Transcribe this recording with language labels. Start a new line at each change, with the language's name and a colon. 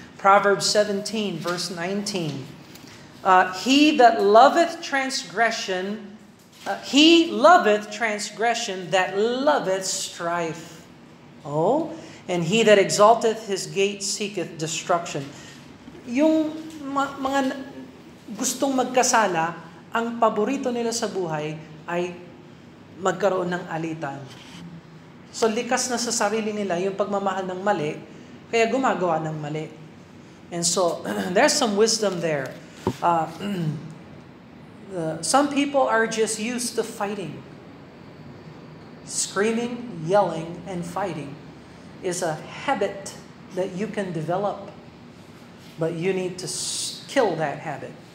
English: Proverbs 17, verse 19. He that loveth transgression, he loveth transgression that loveth strife. Oh? And he that exalteth his gate seeketh destruction.
Filipino: Yung mga gustong magkasala, ang paborito nila sa buhay ay magkaroon ng alitan. So likas na sa sarili nila yung pagmamahal ng mali, kaya gumagawa ng mali.
English: And so, there's some wisdom there. Some people are just used to fighting. Screaming, yelling, and fighting is a habit that you can develop, but you need to kill that habit.